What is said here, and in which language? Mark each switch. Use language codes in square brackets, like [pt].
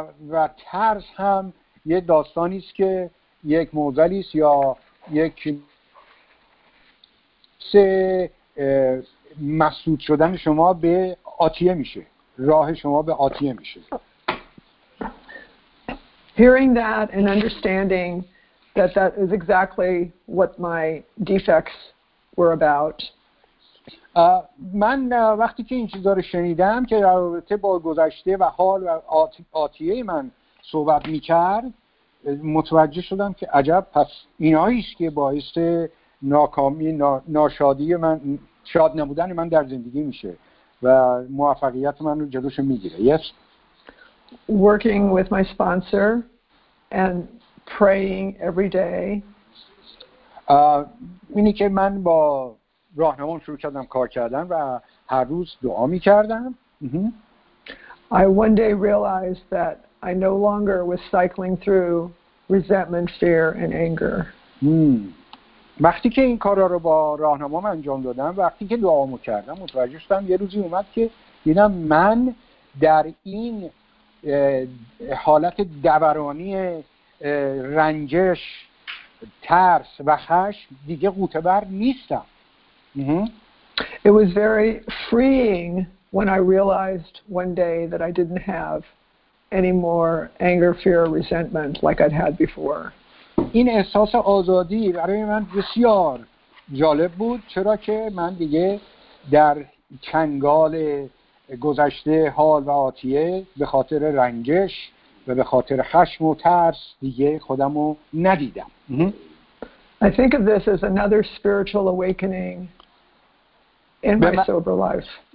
[fa] و ترس هم یه داستانی است که یک موضوعی است یا یک سه مسدود شدن شما به آتیه میشه، راه شما به آتیه میشه. [en] Hearing that and understanding that is exactly what my defects were about. [fa] من وقتی که این چیزا رو شنیدم که در رابطه با گذشته و حال و آتیه من صحبت می‌کرد متوجه شدم که عجب، پس ایناییش که باعث ناکامی ناشادی من، شاد نبودن من در زندگی میشه و موفقیت من رو جلوش میگیره. [en] Yes. Working with my sponsor and praying every day. [fa] اینی که من با راهنمام شروع کردم کار کردن و هر روز دعا می‌کردم. [en] I one day realized that I no longer was cycling through resentment, fear and anger. [fa] وقتی که این کارا رو با راهنمام انجام دادم، وقتی که دعامو کردم، متوجه شدم یه روزی اومد که دیدم من در این حالت دورانی رنجش، ترس و خشم دیگه غوطه بر نیستم. [en] It was very freeing when I realized one day that I didn't have any more anger, fear, resentment like I'd had before. [fa] این احساس آزادی برای من بسیار جالب بود، چرا که من دیگه در چنگال گذشته، حال و آتیه به خاطر رنجش و به خاطر خشم و ترس دیگه خودمو ندیدم. [en] I think of this as another spiritual awakening in my sober life.